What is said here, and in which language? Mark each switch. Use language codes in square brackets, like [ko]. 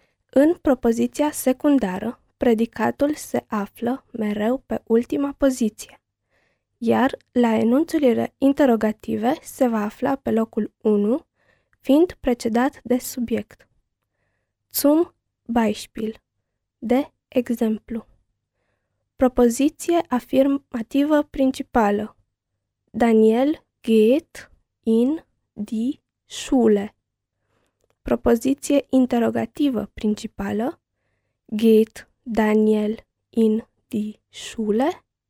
[ro] În propoziția secundară, predicatul se află mereu pe ultima poziție, iar la enunțurile interogative se va afla pe locul 1, fiind precedat de subiect. [de] Zum Beispiel, de exemplu. [ro] Propoziție afirmativă principală. [de] Daniel geht in die Schule. [ro] Propoziție interrogativă principală. [de] Geht Daniel in die Schule?